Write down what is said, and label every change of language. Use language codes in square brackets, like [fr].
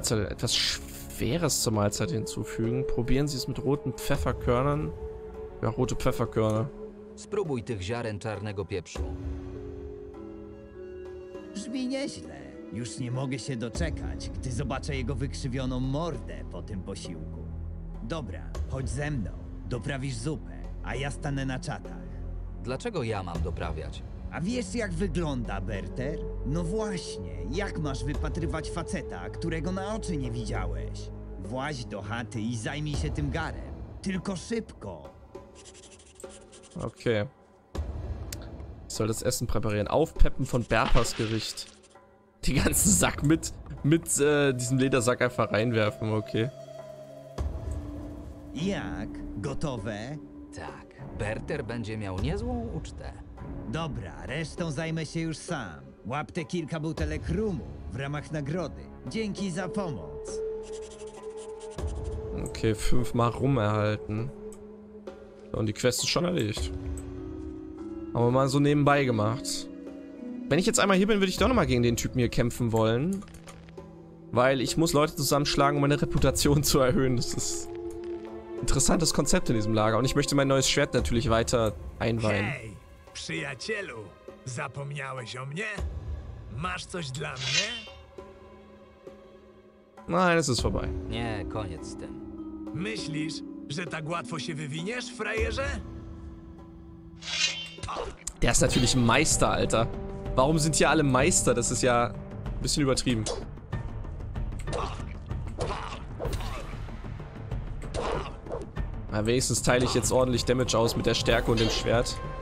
[de] Etwas Schweres zur Mahlzeit hinzufügen. Probieren Sie es mit roten Pfefferkörnern. Ja, rote Pfefferkörner. [pl] Spróbuj tych ziaren czarnego pieprzu. brzmi nieźle. Już nie mogę się doczekać, gdy zobaczę jego wykrzywioną mordę po tym posiłku. Dobra, chodź ze mną, doprawisz zupę, a ja stanę na czatach. Dlaczego ja mam doprawiać? A wiesz, jak wygląda Berter? No właśnie, jak masz wypatrywać faceta, którego na oczy nie widziałeś? Właź do chaty i zajmij się tym garem. Tylko szybko. Okay. [de] Ich soll das Essen präparieren. Aufpeppen von Berpas Gericht. Den ganzen Sack mit diesem Ledersack einfach reinwerfen, okay. [pl] Jak? Gotowe? Tak. Berter będzie miał niezłą ucztę. Dobra, resztą zajmę się już sam. Łap te kilka butelek rumu w ramach nagrody. Dzięki za pomoc. [de] Okay, 5-mal rum erhalten. Und die Quest ist schon erledigt. Aber mal so nebenbei gemacht. Wenn ich jetzt einmal hier bin, würde ich doch nochmal gegen den Typen hier kämpfen wollen. Weil ich muss Leute zusammenschlagen, um meine Reputation zu erhöhen. Das ist ein interessantes Konzept in diesem Lager. Und ich möchte mein neues Schwert natürlich weiter einweihen. [pl] Hey, przyjacielu, zapomniałeś o mnie? Masz coś dla mnie? [de] Nein, es ist vorbei. [pl] Nie, koniec z tym. Myślisz, że tak łatwo się wywiniesz, frajerze? [de] Der ist natürlich Meister, Alter. Warum sind hier alle Meister? Das ist ja ein bisschen übertrieben. Na, wenigstens teile ich jetzt ordentlich Damage aus mit der Stärke und dem Schwert.